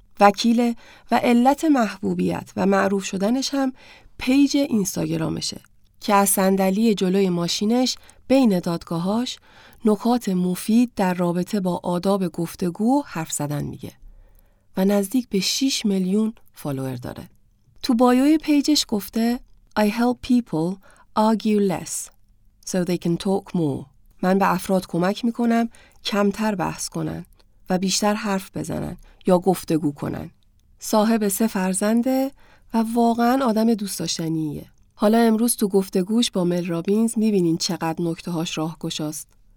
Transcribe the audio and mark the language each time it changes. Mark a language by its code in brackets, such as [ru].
[fa] وکیل و علت محبوبیت و معروف شدنش هم پیج اینستاگرامشه که از صندلی جلوی ماشینش بین دادگاهاش نکات مفید در رابطه با آداب گفتگو حرف زدن میگه و نزدیک به 6 میلیون فالوور داره. تو بایوی پیجش گفته [en] I help people argue less so they can talk more. [fa] من به افراد کمک میکنم کمتر بحث کنن و بیشتر حرف بزنن یا گفتگو کنن. صاحب 3 فرزنده و واقعاً آدم دوست داشتنیه. حالا امروز تو گفتگوش با مل رابینز میبینین چقدر نکته هاش راه گشاست.